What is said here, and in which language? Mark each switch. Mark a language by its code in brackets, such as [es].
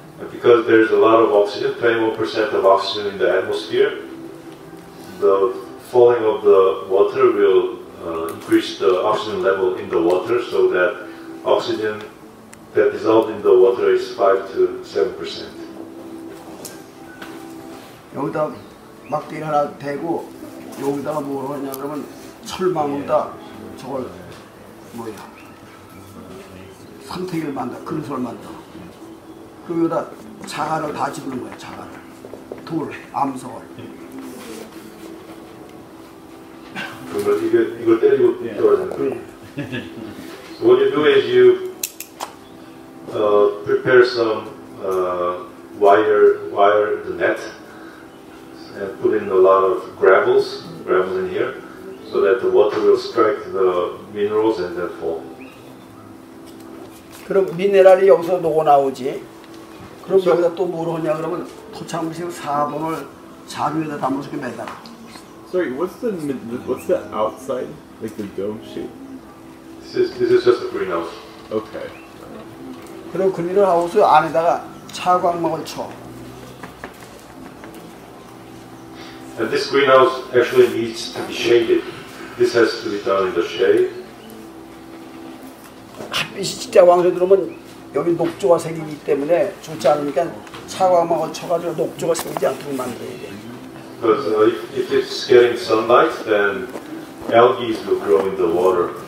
[en] Because there's a lot of oxygen, 21% of oxygen in the atmosphere, the falling of the water will increase the oxygen level in the water, so that oxygen that dissolved in the water is 5 to 7%. [ko] 여기다 막대 하나 대고 여기다 뭐로 하냐 그러면 철망으로다 저걸 뭐야 선택을 만다 근설 만다 그리고 여기다 자갈을 다 집는 거야 자갈을 돌 암석을 그러면 이게 이걸 때리고 떨어지는 거야. [en] So what you do is you prepare some wire the net and put in a lot of gravels in here so that the water will strike the minerals and then fall. [ko] 그럼 미네랄이 여기서 녹아 나오지. 그럼 여기다 또 뭐로 하냐 그러면 토착물질 4번을 자루에다 담아서 이렇게 매달아. [en] Sorry, what's the outside? Like the dome shape? This is just a greenhouse. Okay. [ko] 그리고 그린하우스 안에다가 차광막을 쳐. [en] And this greenhouse actually needs to be shaded. This has to be done in the shade. [ko] 햇빛이 진짜 왕성 들어오면 여기 녹조가 생기기 때문에 좋지 않으니까 차광막을 쳐가지고 녹조가 생기지 않도록 만들어야 돼. [en] Because if it's getting sunlight, then algae will grow in the water.